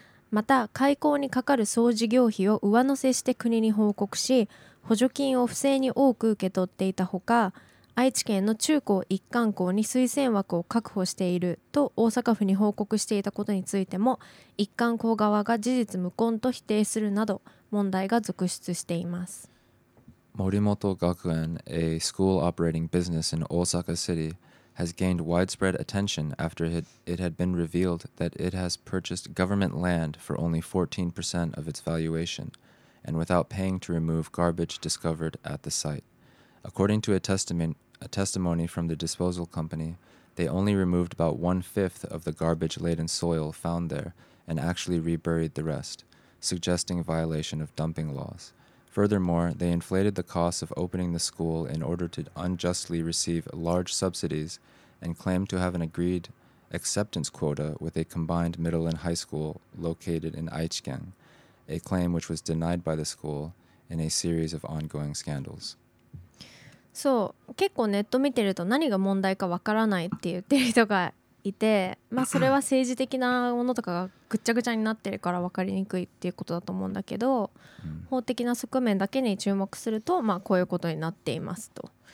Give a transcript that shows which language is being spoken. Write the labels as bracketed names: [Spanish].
[Japanese] また開港にかかる総事業費を上乗せして国に報告し、補助金を不正に多く受け取っていたほか、愛知県の中高一貫校に推薦枠を確保していると大阪府に報告していたことについても、一貫校側が事実無根と否定するなど問題が続出しています。 [English] 森本学園、 a school operating business in Osaka City, has gained widespread attention after it had been revealed that it has purchased government land for only 14% of its valuation and without paying to remove garbage discovered at the site. According to a testimony from the disposal company, they only removed about one-fifth of the garbage-laden soil found there and actually reburied the rest, suggesting violation of dumping laws. Furthermore, they inflated the cost of opening the school in order to unjustly receive large subsidies and claimed to have an agreed acceptance quota with a combined middle and high school located in Aichi-ken, a claim which was denied by the school in a series of ongoing scandals. [Japanese] そう、結構ネット見てると何が問題かわからないって言ってる人がいて、まあそれは政治的なものとかがぐっちゃぐちゃになってるから分かりにくいっていうことだと思うんだけど、法的な側面だけに注目すると、まあ、こういうことになっていますと。